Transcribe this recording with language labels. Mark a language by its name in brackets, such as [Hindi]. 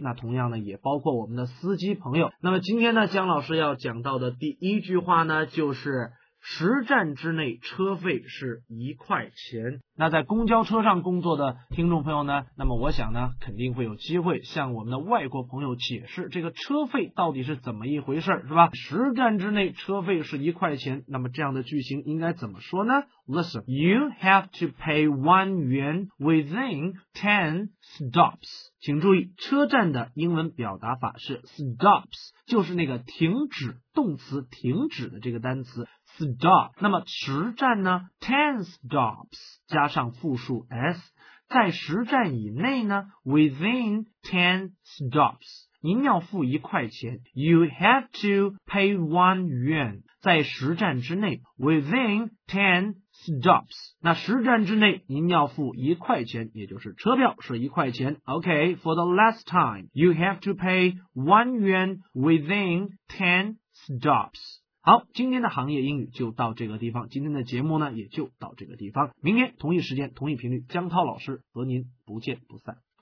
[Chinese] 那同样呢，也包括我们的司机朋友。那么今天呢，江老师要讲到的第一句话呢，就是十站之内车费是一块钱。那在公交车上工作的听众朋友呢，那么我想呢，肯定会有机会向我们的外国朋友解释这个车费到底是怎么一回事，是吧？十站之内车费是一块钱，那么这样的句型应该怎么说呢？ [English] Listen, you have to pay 1 yuan within 10 stops。 [Chinese] 请注意，车站的英文表达法是 stops， 就是那个停止，动词停止的这个单词 stop。那么十站呢， [English] 10 stops [Chinese] 加上复数 s， 在十站以内呢， [English] within 10 stops [Chinese] 您要付一块钱， [English] you have to pay 1 yuan， [Chinese] 在十站之内， within 10 stops， 那十站之内您要付一块钱，也就是车票是一块钱。 [English] OK， for the last time， you have to pay 1 yuan within 10 stops。 [Chinese] 好，今天的行业英语就到这个地方，今天的节目呢也就到这个地方，明天同一时间同一频率，江涛老师和您不见不散。